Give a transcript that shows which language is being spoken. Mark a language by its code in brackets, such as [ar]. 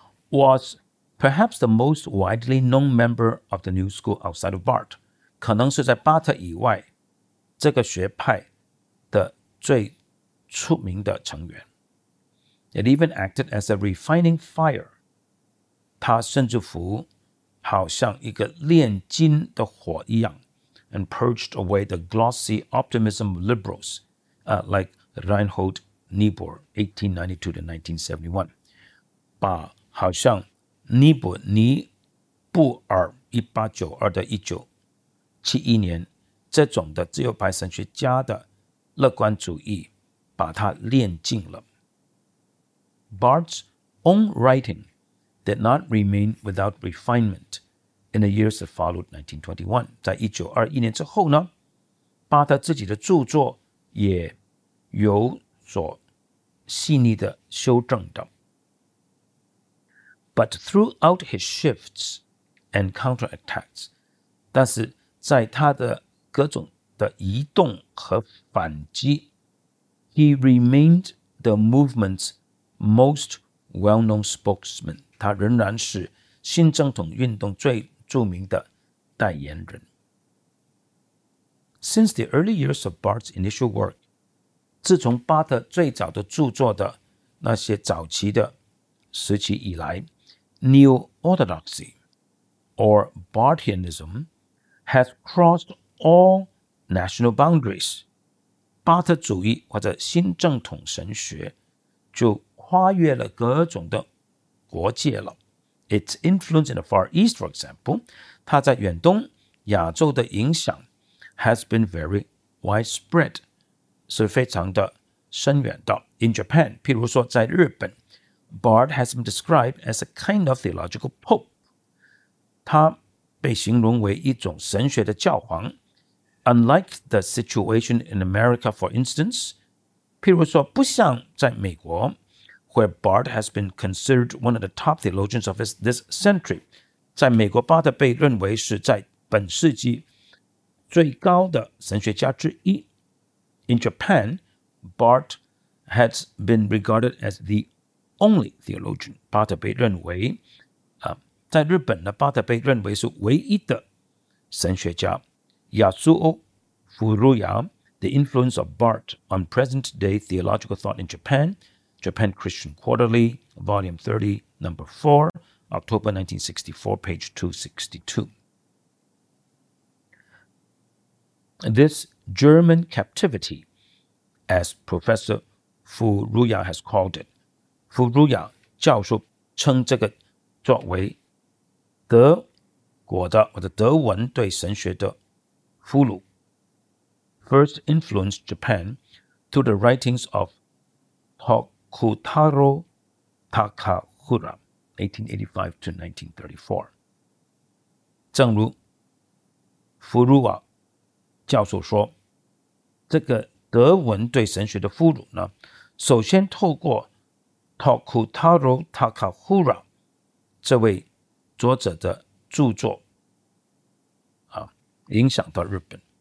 [en] Was perhaps the most widely known member of the new school outside of Barth. [zh] 可能是在巴特以外这个学派的最出名的成员。 [en] It even acted as a refining fire. [zh] 它甚至乎好像一个炼金的火一样 [en] and purged away the glossy optimism of liberals, like Reinhold Niebuhr, 1892-1971. [zh] 把好像尼布尔1892-1971年这种的自由派神学家的乐观主义把它炼尽了。 [en] Barth's own writing did not remain without refinement in the years that followed 1921. [zh] 在1921年之后呢，巴特自己的著作也有所细腻的修正的。 [en] But throughout his shifts and counterattacks, [zh] 但是在他的各种的移动和反击， [en] he remained the movement's most well-known spokesman. [zh] 他仍然是新正统运动最著名的代言人。 [en] Since the early years of Barth's initial work, [zh] 自从巴特最早的著作的那些早期的时期以来， [en] Neo-Orthodoxy, or Barthianism, has crossed all national boundaries. [zh] 巴特主义或者新正统神学就跨越了各种的国界了。 [en] Its influence in the Far East, for example, [zh] 它在远东亚洲的影响 [en] has been very widespread, [zh] 是非常的深远的。 [en] In Japan, [zh] 譬如说在日本， [en] Barth has been described as a kind of theological pope. [zh] 他被形容为一种神学的教皇。 [en] Unlike the situation in America, for instance, [zh] 譬如说不像在美国 [en] where Barth has been considered one of the top theologians of this century. [zh] 在美国巴特被认为是在本世纪最高的神学家之一。 [en] In Japan, Barth has been regarded as the only theologian. [zh] 巴特被认为在日本呢，巴特被认为是唯一的神学家。 [en] Yasuo Furuya, The Influence of Barth on Present-Day Theological Thought in Japan, Japan Christian Quarterly, Volume 30, Number 4, October 1964, Page 262. This German captivity, as Professor Furuya has called it, [zh] 福如雅教授称这个作为德国的或者德文对神学的俘虏。 [en] First influenced Japan through the writings of Tokutaro Takahura, [zh] 1885 to 1934. 正如弗鲁瓦教授说，这个德文对神学的俘虏呢，首先透过 Tokutaro Takahura 这位作者的著作影响到日本。